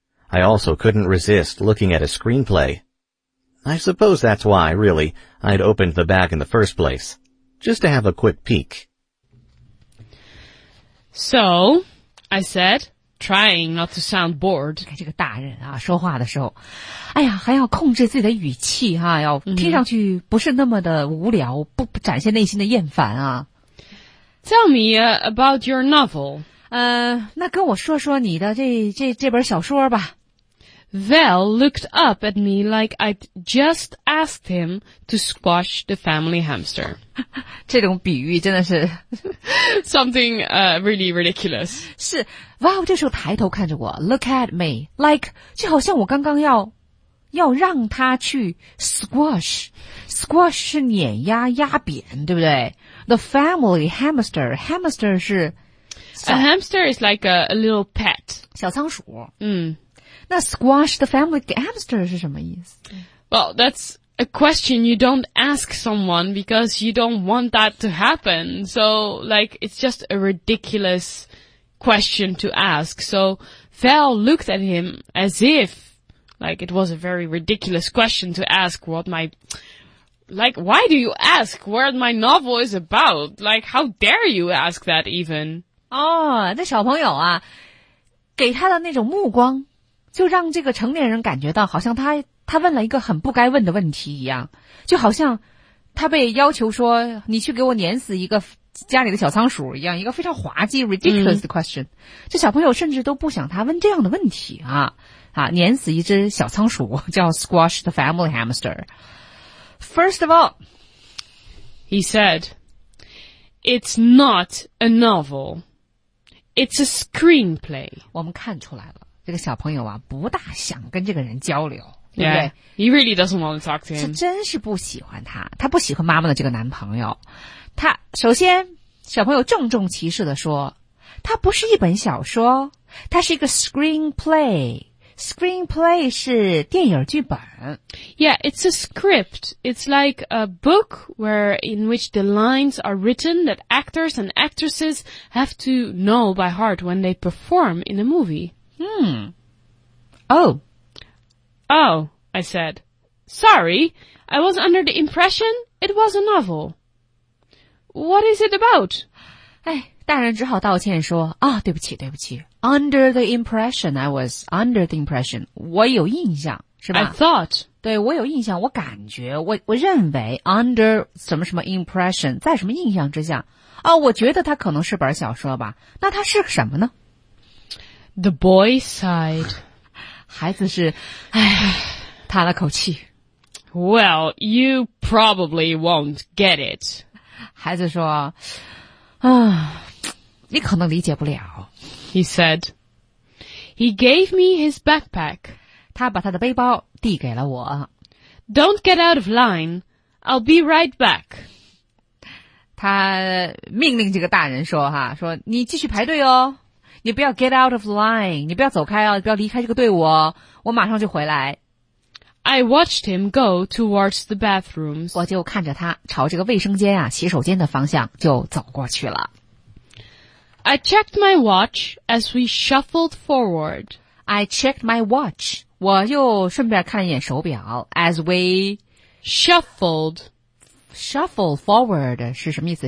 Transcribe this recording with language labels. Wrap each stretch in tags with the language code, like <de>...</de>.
<en>I also couldn't resist looking at a screenplay. I suppose that's why, really, I'd opened the bag in the first place, just to have a quick peek. So, I said, trying not to sound bored.</en> <zh>看这个大人啊，说话的时候，哎呀，还要控制自己的语气哈、啊，要听上去不是那么的无聊，不展现内心的厌烦啊。</zh> <en>Tell me about your novel.</en> <zh>那跟我说说你的这本小说吧。</zh> <en>Val looked up at me like I'd just asked him to squash the family hamster.</en> <zh>这种比喻真的是</zh> <en>something really ridiculous.</en> <zh>是 ,Val 这时候抬头看着我 ,</zh> <en>look at me, like,</en> <zh>就好像我刚刚要让他去 squash。 squash 是碾压压扁对不对 ?</zh> <en>the family hamster,</en> <zh>hamster 是</zh> <en>a hamster is like a little pet,</en> <zh>小仓鼠。嗯。那</zh> <en>squash the family hamster</en> <zh>是什么意思</zh> <en>?well, that's a question you don't ask someone because you don't want that to happen, so like, it's just a ridiculous question to ask, so Val looked at him as if, like, it was a very ridiculous question to ask what my Like, why do you ask what my novel is about? Like, how dare you ask that even?</en> <zh>哦，那小朋友啊，给他的那种目光，就让这个成年人感觉到好像他问了一个很不该问的问题一样，就好像他被要求说你去给我碾死一个家里的小仓鼠一样，一个非常滑稽 ridiculous 的 question。这小朋友甚至都不想他问这样的问题啊啊，碾死一只小仓鼠叫</zh> <en>squash the family hamster。 First of all, he said, it's not a novel. It's a screenplay.</en> <zh>我们看出来了，这个小朋友啊不大想跟这个人交流，对不对？</zh> <en>He really doesn't want to talk to him.</en> <zh>是真是不喜欢他，他不喜欢妈妈的这个男朋友。他首先小朋友郑重其事地说，他不是一本小说，他是一个 screenplay。 Screenplay 是电影剧本。</zh> <en>Yeah, it's a script. It's like a book where in which the lines are written that actors and actresses have to know by heart when they perform in a movie. Hmm. Oh. Oh, I said. Sorry, I was under the impression it was a novel. What is it about?</en> <zh>哎，大人只好道歉说，啊，对不起，对不起。</zh> <en>Under the impression, I was under the impression.</en> <zh>我有印象，是吧？</zh> <en>I thought.</en> <zh>对，我有印象，我感觉，我认为 under 什么什么 impression, 在什么印象之下。啊，我觉得它可能是本小说吧。那它是什么呢？</zh> <en>The boy sighed.</en> <zh>孩子是，唉，叹了口气。</zh> <en>Well, you probably won't get it.</en> <zh>孩子说，啊，你可能理解不了。</zh> <en>He said, he gave me his backpack.</en> <zh>他把他的背包递给了我。</zh> <en>Don't get out of line. I'll be right back.</en> <zh>他命令这个大人说哈，说你继续排队哦，你不要</zh> <en>get out of line,</en> <zh>你不要走开哦，不要离开这个队伍哦，我马上就回来。</zh> <en>I watched him go towards the bathrooms.</en> <zh>我就看着他朝这个卫生间啊，洗手间的方向就走过去了。</zh> <en>I checked my watch as we shuffled forward. I checked my watch.</en> <zh>我又顺便看了一眼手表。</zh> <en>As we shuffled. Shuffle forward</en> <zh>是什么意思？</zh>